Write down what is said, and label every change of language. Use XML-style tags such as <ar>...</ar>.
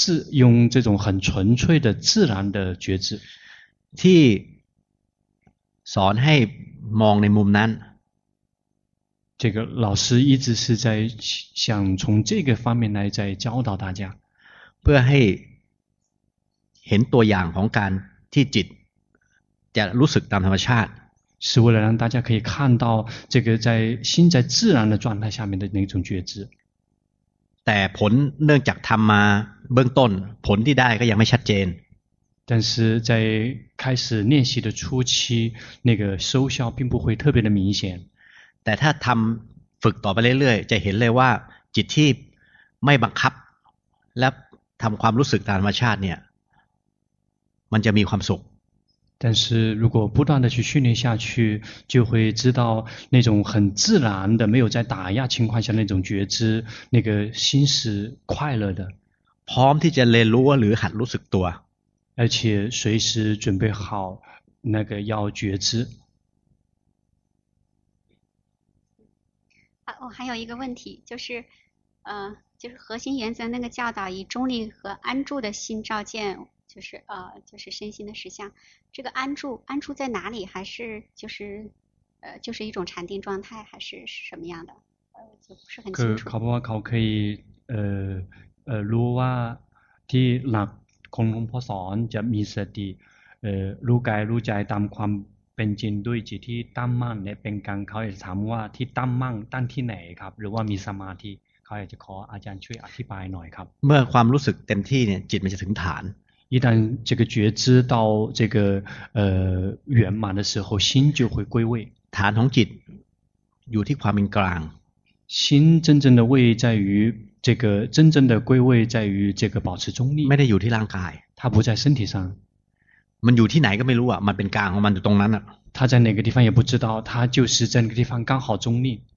<zh>用这种很纯粹的自然的觉知</zh> <th>ที่สอนให้มองในมุมนั้น</th> <zh>这个老师一直是在想从这个方面来在教导大家</zh> <th>เพื่อให้เห็นตัวอย่างของการที่จิตจะรู้สึกตามธรรมชาติ</th> <zh>是为了让大家可以看到这个在心在自然的状态下面的那种觉知</zh> <th>แต่ผลเนื่องจากทำมาเบื้องต้นผลที่ได้ก็ยังไม่ชัดเจน</th> <zh>但是在开始练习的初期那个收效并不会特别的明显</zh> <th>แต่ถ้าทำฝึกต่อไปเรื่อยๆจะเห็นเลยว่าจิตที่ไม่บังคับและทำความรู้สึกตามธรรมชาติเนี่ยมันจะมีความสุข</th> <zh>但是如果不断的去训练下去就会知道那种很自然的没有在打压情况下那种觉知那个心是快乐的</zh> <th>พร้อมที่จะเรียนรู้หรือหัดรู้สึกตัว</th> <zh>而且随时准备好那个要觉知啊，我还有一个问题就是核心原则那个教导以中立和安住的心照见就是身心的实相这个安住在哪里还是就是一种禅定状态还是什么样的就不是很清楚考不考可以</zh> <th>รู้ว่าที่หลักของหลวงพ่อสอนจะมีสติรู้กายรู้ใจตามความเป็นจริงด้วยจิตที่ตั้งมั่นเนี่ยเป็นกลางเขาจะถามว่าที่ตั้งมั่นตั้งที่ไหนครับหรือว่ามีสมาธิ ขาอยากจะขออาจารย์ช่วยอธิบายหน่อยครับ เมื่อความรู้สึกเต็มที่เนี่ยจิตมันจะถึงฐาน</th> <zh>一旦这个觉知到这个圆满的时候心就会归位</zh> <th>ฐานของจิตอยู่ที่ความเป็นกลาง</th> <zh>心真正的位在于这个真正的归位在于这个保持中立</zh> <th>ไม่ได้อยู่ที่ร่างกาย</th> <zh>它不在身体上</zh> <th>มันอยู่ที่ไหนก็ไม่รู้อ่ะมันเป็นกลางของมันอยู่ตรงนั้นอ่ะ</th> <zh>它在哪个地方也不知道它就是在那个地方刚好中立</zh>